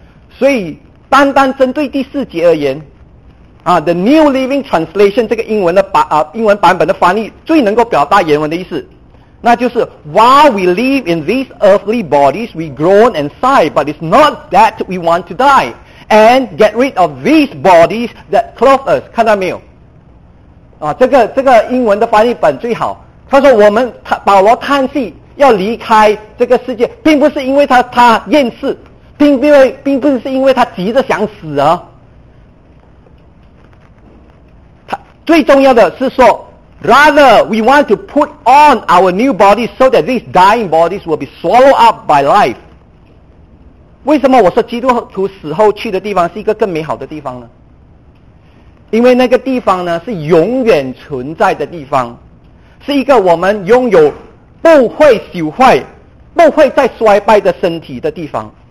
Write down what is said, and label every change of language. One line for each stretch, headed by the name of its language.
Chinese: 所以单单针对第四节而言啊
English: ，The New Living Translation
Chinese: 这个英文的英文版本的翻译最能够表达原文的意思，那就是
English: While we live in these earthly bodies, we groan and sigh, but it's not that we want to die and get rid of these bodies that clothe us.
Chinese: 看到没有？啊，这个英文的翻译本最好。他说我们保罗叹息要离开这个世界，并不是因为他厌世，并不是因为他急着想死啊。最重要的是说
English: Rather we want to put on our new bodies so that these dying bodies will be swallowed up by life.
Chinese: 为什么我说基督徒死后去的地方是一个更美好的地方呢？因为那个地方呢是永远存在的地方，是一个我们拥有不会朽坏不会再衰败的身体的地方。